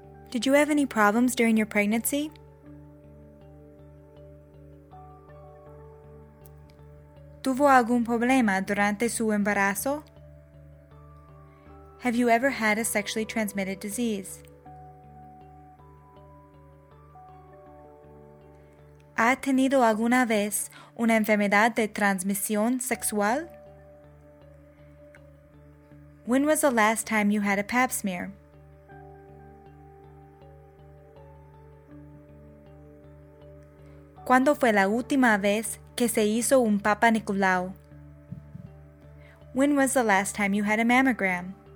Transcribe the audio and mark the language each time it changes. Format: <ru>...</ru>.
<en>Did you have any problems during your pregnancy?</en> <es>¿Tuvo algún problema durante su embarazo?</es> <en>Have you ever had a sexually transmitted disease?</en> <es>¿Ha tenido alguna vez una enfermedad de transmisión sexual?</es> <en>When was the last time you had a pap smear?</en> <es>¿Cuándo fue la última vez que se hizo un Papa Nicolau?</es> <en>When was the last time you had a mammogram?</en>